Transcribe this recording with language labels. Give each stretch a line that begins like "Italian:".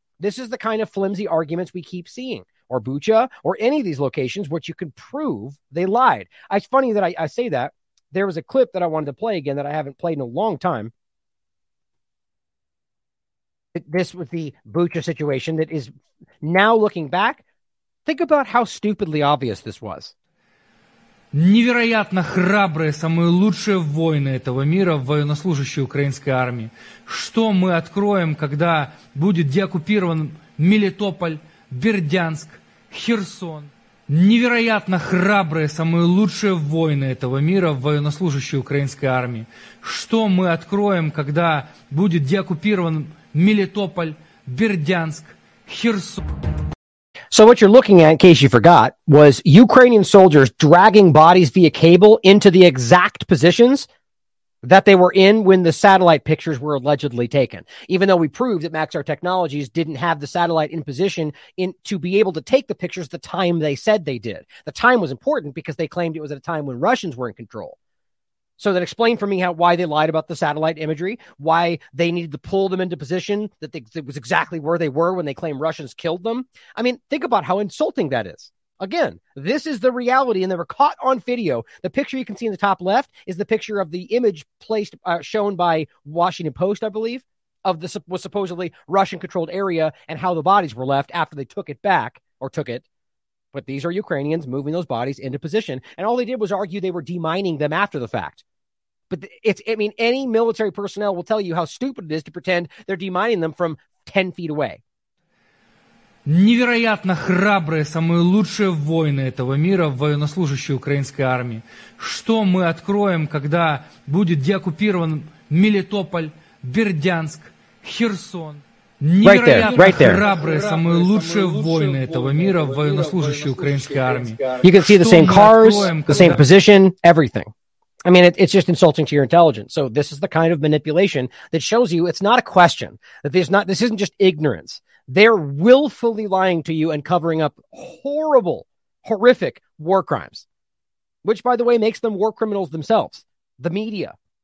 English: This is the kind of flimsy arguments we keep seeing, or Bucha, or any of these locations, which you can prove they lied. It's funny that I say that. There was a clip that I wanted to play again that I haven't played in a long time. This was the Bucha situation that is now looking back. Think about how stupidly obvious this was.
Russian: Невероятно храбрые, самые лучшие воины этого мира, военнослужащие украинской армии. Что мы откроем, когда будет деоккупирован Мелитополь, Бердянск, Херсон? Невероятно храбрые, самые лучшие воины этого мира, военнослужащие украинской армии. Что мы откроем, когда будет деоккупирован Мелитополь, Бердянск, Херсон?
English: So what you're looking at, in case you forgot, was Ukrainian soldiers dragging bodies via cable into the exact positions that they were in when the satellite pictures were allegedly taken. Even though we proved that Maxar Technologies didn't have the satellite in position in to be able to take the pictures the time they said they did. The time was important because they claimed it was at a time when Russians were in control. So that explained for me how why they lied about the satellite imagery, why they needed to pull them into position that it was exactly where they were when they claimed Russians killed them. I mean, think about how insulting that is. Again, this is the reality, and they were caught on video. The picture you can see in the top left is the picture of the image placed shown by Washington Post, I believe, of the was supposedly Russian-controlled area and how the bodies were left after they took it back, or took it. But these are Ukrainians moving those bodies into position. And all they did was argue they were demining them after the fact. But it's, I mean, any military personnel will tell you how stupid it is to pretend they're demining them from 10 feet away.
Russian: Невероятно храбрые, самые лучшие воины этого мира, военнослужащие украинской армии. Что мы откроем, когда будет деоккупирован Мелитополь, Бердянск, Херсон?
English: Right there, right there.
Russian: Храбрые, самые лучшие воины этого мира, военнослужащие украинской армии.
English: You can see the same cars, the same position, everything. I mean, it's just insulting to your intelligence. So this is the kind of manipulation that shows you it's not a question, that there's not, this isn't just ignorance. They're willfully lying to you and covering up horrible, horrific war crimes, which, by the way, makes them war criminals themselves, the media.